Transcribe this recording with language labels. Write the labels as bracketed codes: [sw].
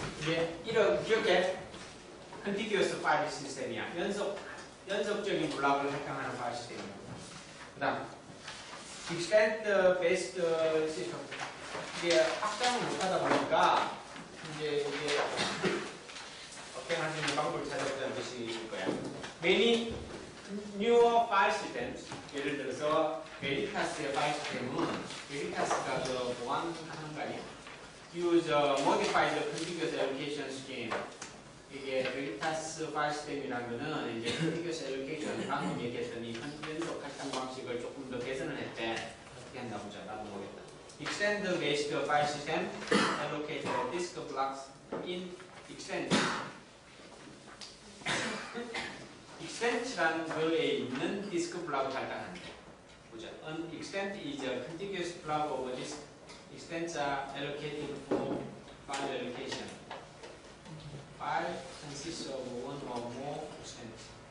[ko] 이게 이런 기억해. 컨티규어스 파일 시스템이야. 연속적인 블록을 할당하는 파일 시스템이야. 그다음 익스텐드 베이스드 시스템. 이게 확장을 못하다 보니까 이제 확장할 수 있는 방법을 찾았다는 뜻이 있을 거야. [en] Many newer file systems. [ko] 예를 들어서 베리타스의 파일 시스템은 베리타스가 그 보안하는 거 아니야? [en] Use modified contiguous allocation scheme. [ko] 이게 Veritas 파일 시스템이라면 이제 contiguous allocation 방금 얘기했더니 연속 할당 방식을 조금 더 개선을 했대. 어떻게 했나 보자. 나도 모르겠다. [en] Extend based file system allocate disk blocks in extent. [ko] extent라는 거에 있는 disk block을 할당한대. 보자. [en] An extent is a contiguous block of a disk. Extents are allocated for file allocation. File consists of one or more extents.